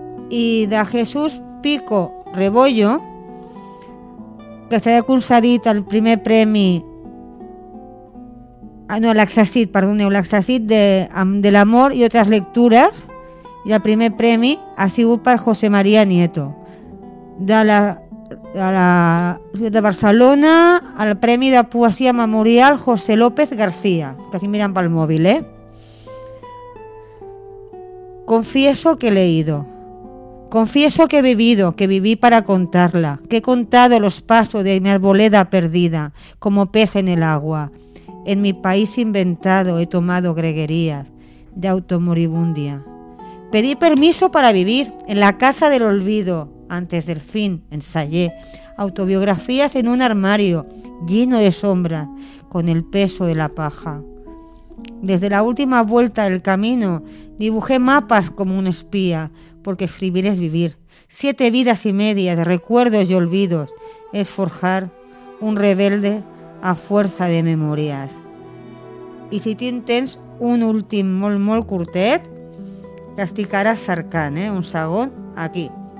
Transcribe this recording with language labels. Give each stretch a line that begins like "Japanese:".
Catalan: I de Jesús Pico Rebollo, que s'ha concedit el primer premi, no, l'Exercit, perdoneu, l'Exercit de l'Amor i altres lectures, i el primer premi ha sigut per José María Nieto, de la a la ciutat de Barcelona, al Premi de Poesia Memorial José López García, que si miren pel mòbil,
Spanish: Confieso que he leído. Confieso que he vivido, que viví para contarla, que he contado los pasos de mi arboleda perdida, como pez en el agua. En mi país inventado he tomado greguerías de automoribundia. Pedí permiso para vivir en la casa del olvido. Antes del fin ensayé autobiografías en un armario lleno de sombras con el peso de la paja. Desde la última vuelta del camino dibujé mapas como un espía, porque escribir es vivir. Siete vidas y media de recuerdos y olvidos es forjar un rebelde a fuerza de memorias.
Catalan: I si tens un últim molt, molt curtet, l'estic ara cercant, un segon, aquí.